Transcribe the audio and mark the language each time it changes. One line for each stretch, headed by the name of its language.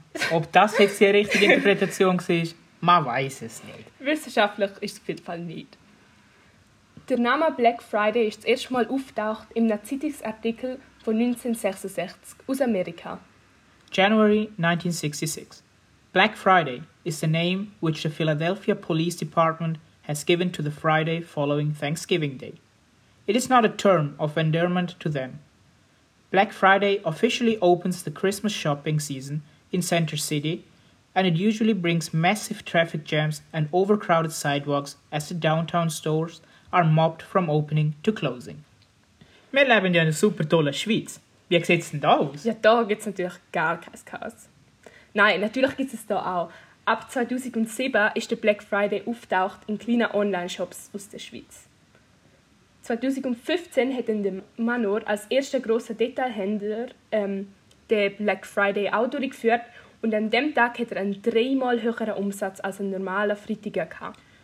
German: Ob das jetzt die richtige Interpretation war, man weiß es nicht. Wissenschaftlich ist es auf jeden Fall nicht. Der Name Black Friday ist das erste Mal auftaucht in einem Zeitungsartikel von 1966 aus Amerika.
English: January 1966. Black Friday is the name which the Philadelphia Police Department has given to the Friday following Thanksgiving Day. It is not a term of endearment to them. Black Friday officially opens the Christmas shopping season in Center City, and it usually brings massive traffic jams and overcrowded sidewalks as the downtown stores are mobbed from opening to closing.
German: Wir leben ja in einer super tollen Schweiz. Wie sieht es denn da aus? Ja, da gibt es natürlich gar kein Chaos. Nein, natürlich gibt es da auch. Ab 2007 ist der Black Friday auftaucht in kleinen Online-Shops aus der Schweiz. 2015 hat dann der Manor als erster grosser Detailhändler den Black Friday auch durchgeführt und an dem Tag hat er einen dreimal höheren Umsatz als ein normaler Freitag gehabt.